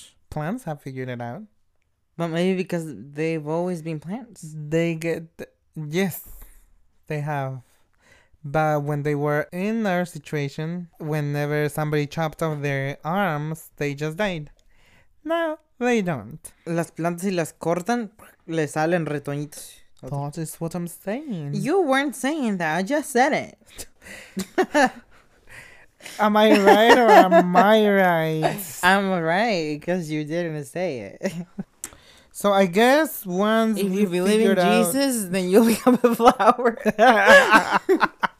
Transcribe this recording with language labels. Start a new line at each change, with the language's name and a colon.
English: Plants have figured it out. But maybe because they've always been plants. They get. Yes, they have. But when they were in our situation, whenever somebody chopped off their arms, they just died. No, they don't.
Spanish: Las plantas y las cortan, le salen retoñitos.
English: That is what I'm saying. You weren't saying that. I just said it. Am I right or am I right? I'm right because you didn't say it. So I guess once if you believe in Jesus, then you'll become a flower.